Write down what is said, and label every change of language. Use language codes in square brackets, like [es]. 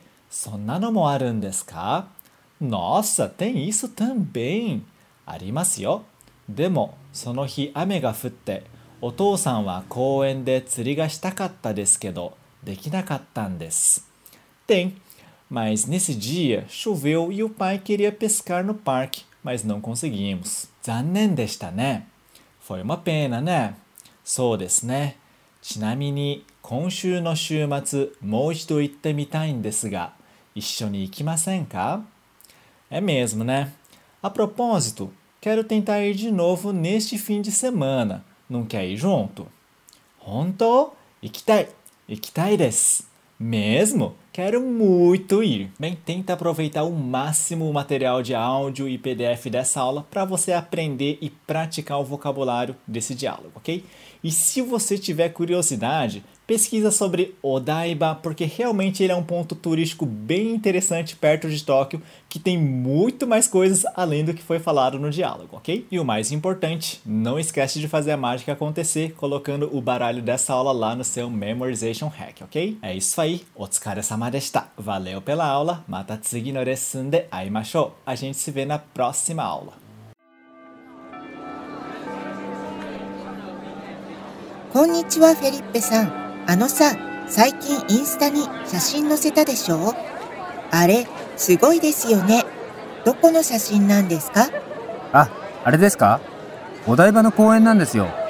[ja] そんなのもあるんですか? [pt] Nossa, tem isso também! [ja] ありますよ。でも、その日雨が降って、お父さんは公園で釣りがしたかったですけど、できなかったんです。 [pt] Tem! Mas nesse dia, choveu e o pai queria pescar no parque, mas não conseguimos. [ja] 残念でしたね。 [pt] Foi uma pena, né? [ja] そうですね。ちなみに、今週の週末、もう一度行ってみたいんですが、一緒に行きませんか? [pt] É mesmo, né? A propósito, quero tentar ir de novo neste fim de semana. Não quer ir junto? [ja] 本当?行きたい。行きたいです。 [pt] Mesmo? Quero muito ir. Bem, tenta aproveitar o máximo o material de áudio e PDF dessa aula para você aprender e praticar o vocabulário desse diálogo, ok? E se você tiver curiosidade, pesquisa sobre Odaiba, porque realmente ele é um ponto turístico bem interessante perto de Tóquio, que tem muito mais coisas além do que foi falado no diálogo, ok? E o mais importante, não esquece de fazer a mágica acontecer colocando o baralho dessa aula lá no seu Memorization Hack, ok? É isso aí, [ja] otsukaresama deshita. [pt] Valeu pela aula, [ja] mata tsugi no lesson de aimashou. [pt] A gente se vê na próxima aula. [ja] こんにちは、フェリッペさん。あのさ、最近インスタに写真載せたでしょ? あれ、すごいですよね。どこの写真なんですか? あ、あれですか? お台場の公園なんですよ。